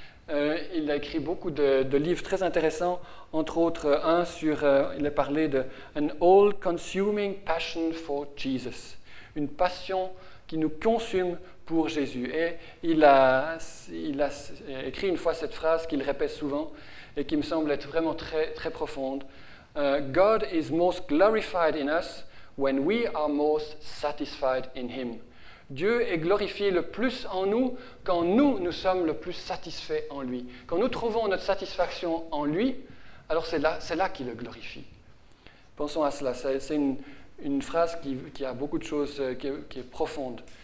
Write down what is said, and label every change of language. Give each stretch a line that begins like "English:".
French: Il a écrit beaucoup de livres très intéressants, entre autres un sur, il a parlé de «
English: An all-consuming passion for Jesus
French: », une passion qui nous consume pour Jésus. Et il a écrit une fois cette phrase qu'il répète souvent et qui me semble être vraiment très, très profonde.
English: « God is most glorified in us when we are most satisfied in him ».
French: Dieu est glorifié le plus en nous quand nous sommes le plus satisfaits en lui. Quand nous trouvons notre satisfaction en lui, alors c'est là qu'il le glorifie. Pensons à cela, c'est une phrase qui a beaucoup de choses, qui est profonde.